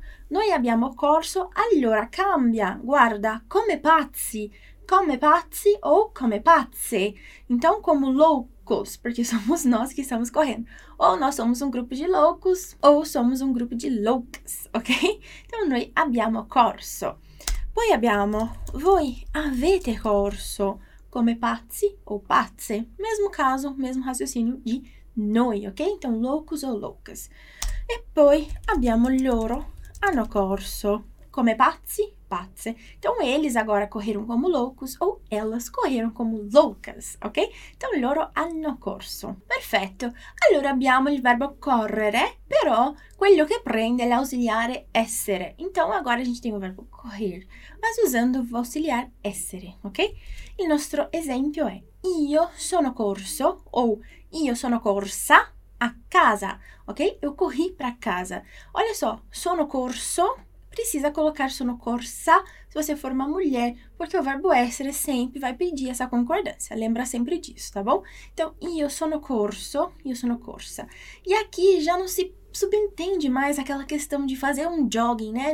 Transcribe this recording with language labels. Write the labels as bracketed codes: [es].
[it] Noi abbiamo corso, allora cambia, guarda, come pazzi. Come pazzi ou come pazze. [pt] Então, como loucos, porque somos nós que estamos correndo. Ou nós somos um grupo de loucos, ou somos um grupo de loucas, ok? [it] Então, noi abbiamo corso. Poi abbiamo, voi avete corso come pazzi ou pazze. [pt] Mesmo caso, mesmo raciocínio de noi, ok? Então, loucos ou loucas. [it] E poi abbiamo loro, hanno corso come pazzi. [pt] Então, eles agora correram como loucos ou elas correram como loucas, ok? [it] Então, loro hanno corso. Perfetto. Allora abbiamo il verbo correre, però quello che prende l'ausiliare essere. [pt] Então, agora a gente tem o verbo correr, mas usando o auxiliar essere, ok? [it] Il nostro esempio è io sono corso ou io sono corsa a casa, [pt] ok? Eu corri para casa. Olha só, [it] sono corso. [pt] Precisa colocar [it] sono corsa [pt] se você for uma mulher, porque o verbo essere sempre vai pedir essa concordância. Lembra sempre disso, tá bom? Então, [it] io sono corsa. [pt] E aqui já não se subentende mais aquela questão de fazer um jogging, né?